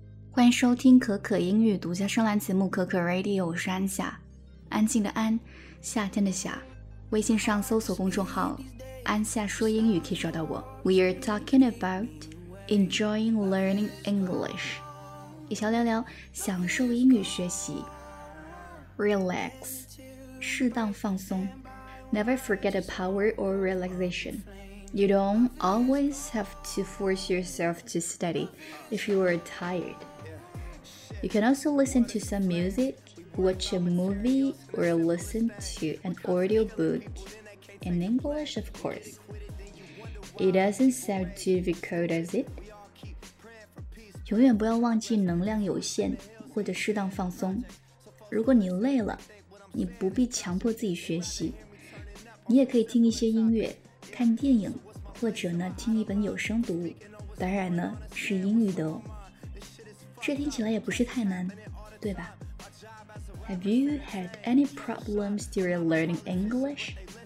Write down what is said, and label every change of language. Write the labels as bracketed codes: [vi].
[zh] 欢迎收听可可英语独家专栏节目可可 Radio， 我是安夏，安静的安，夏天的夏。微信上搜索公众号安夏说英语可以找到我。 [en] We are talking about enjoying learning English， [zh] 一起聊聊享受英语学习。 [en] Relax， [zh] 适当放松。 [en] Never forget the power or relaxationYou don't always have to force yourself to study if you are tired. You can also listen to some music, watch a movie, or listen to an audio book. In English, of course. It doesn't sound too difficult, does it? [zh] 永远不要忘记能量有限或者适当放松。如果你累了，你不必强迫自己学习。你也可以听一些音乐，看电影。或者呢，听一本有声读物，当然呢，是英语的哦。这听起来也不是太难，对吧？ [en] Have you had any problems during learning English?